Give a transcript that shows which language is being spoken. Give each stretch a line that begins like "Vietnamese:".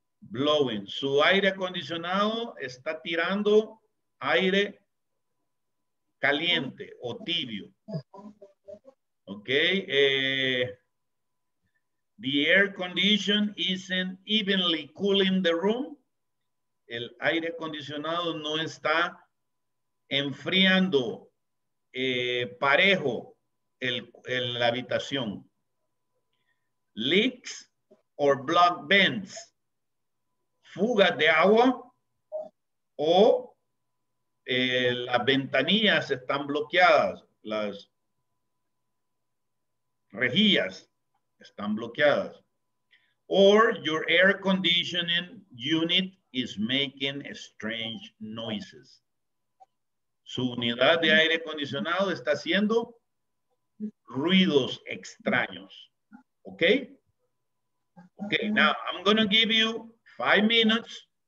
English: Blowing.
Spanish: Su aire acondicionado está tirando aire caliente o tibio, okay?
English: The air condition isn't evenly cooling the room.
Spanish: El aire acondicionado no está enfriando parejo la habitación.
English: Leaks or block vents.
Spanish: Fuga de agua o las ventanillas están bloqueadas, las rejillas. Están bloqueadas.
English: Or your air conditioning unit is making strange noises.
Spanish: Su unidad de aire acondicionado está haciendo ruidos extraños.
English: Okay? Okay, now I'm going to give you 5 minutes.